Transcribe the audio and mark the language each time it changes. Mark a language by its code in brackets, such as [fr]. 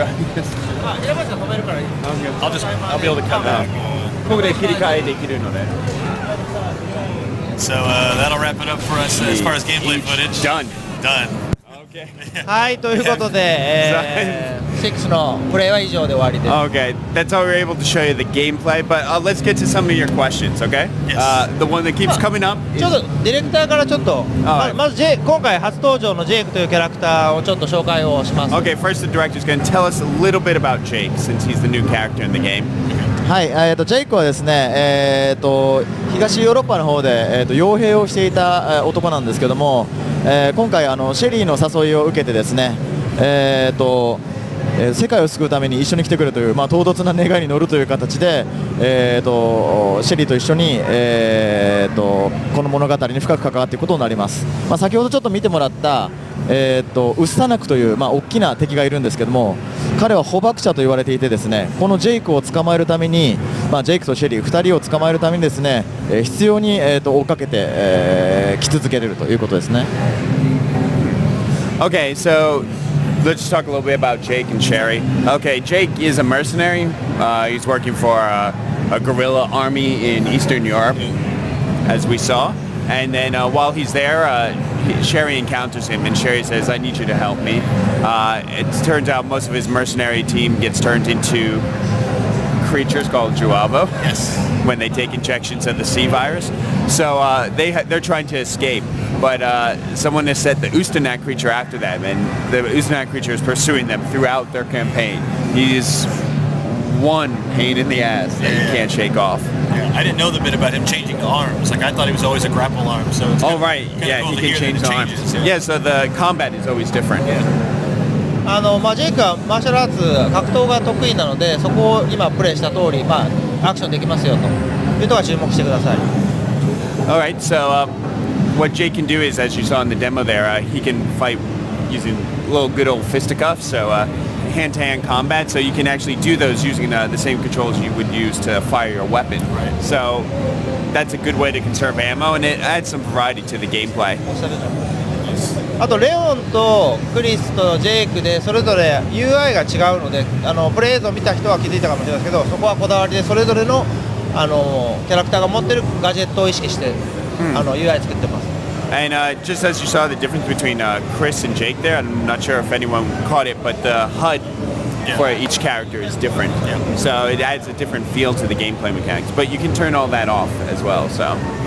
[en] I'll be able to cut that. [ja] ここで切り替えできるので。 [en] So that'll wrap it up for us as far as gameplay footage. Done. Okay. [ja] はい、ということで、6のプレイは以上で終わりです。 [en] Okay, that's all we're able to show you the gameplay, but let's get to some of your questions, okay? Yes. The one that keeps coming up is... [ja] ちょっとディレクターからちょっと、まず今回初登場のジェイクというキャラクターをちょっと紹介をします。 [en] Okay, first the director is going to tell us a little bit about Jake, since he's the new character in the game. [ja] はい、ジェイクはですね、東ヨーロッパの方で、傭兵をしていた男なんですけども、今回シェリーの誘いを受けてですね、世界を救うために一緒に来てくれという、唐突な願いに乗るという形で、シェリーと一緒に、この物語に深く関わっていくことになります。先ほどちょっと見てもらった、ウッサナクという、大きな敵がいるんですけども、彼は捕獲者と言われていてですね、このジェイクを捕まえるために、ジェイクとシェリー2人を捕まえるためにですね、必要に、追っかけて、来続けれるということですね。 [en] OK, so let's talk a little bit about Jake and Sherry. OK, Jake is a mercenary. He's working for a guerrilla army in Eastern Europe, as we saw. And then while he's there, Sherry encounters him, and Sherry says, I need you to help me. It turns out most of his mercenary team gets turned into creatures called Juavo. Yes. When they take injections of the C virus. So they're trying to escape. But someone has set the Ustanak creature after them, and the Ustanak creature is pursuing them throughout their campaign. He is one pain in the ass that he can't shake off. I didn't know the bit about him changing arms. Like, I thought he was always a grapple arm. So it's Kind of cool, he can change arms. Yeah, so the combat is always different. Yeah. [ja] ジェイクはマーシャルアーツ格闘が得意なので、そこを今プレイした通り、アクションできますよというところは注目してください。 [en] Alright, so what Jake can do is, as you saw in the demo there, he can fight using little good old fisticuffs, so hand-to-hand combat, so you can actually do those using the same controls you would use to fire your weapon. Right. So that's a good way to conserve ammo, and it adds some variety to the gameplay. [ja] あとレオンとクリスとジェイクでそれぞれ UI が違うので、プレイ映像見た人は気づいたかもしれないですけど、そこはこだわりでそれぞれのキャラクターが持ってるガジェットを意識して、UI 作ってます。 [en] And just as you saw the difference between Chris and Jake there, I'm not sure if anyone caught it, but the HUD for each character is different. So it adds a different feel to the gameplay mechanics, but you can turn all that off as well, so